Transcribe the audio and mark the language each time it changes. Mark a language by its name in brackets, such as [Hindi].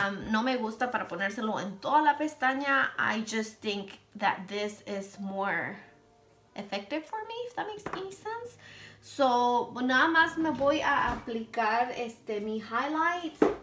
[Spanish] No me gusta para ponérselo en toda la pestaña. [English] I just think that this is more effective for me, if that makes any sense. [Spanish] So, nada más me voy a aplicar mi highlight.